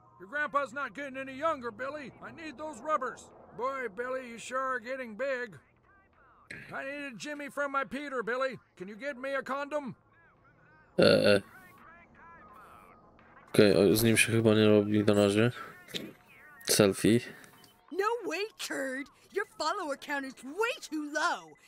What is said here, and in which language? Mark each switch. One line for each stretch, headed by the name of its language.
English: Grandpa's not getting any younger, Billy. I need those rubbers. Boy, Billy, you sure are getting big. I need a Jimmy from my Peter, Billy. Can you get me a condom?
Polish: Okej, okay, z nim się chyba nie robi na razie.
English: Selfie. No way, turd. Your follower count is way too low.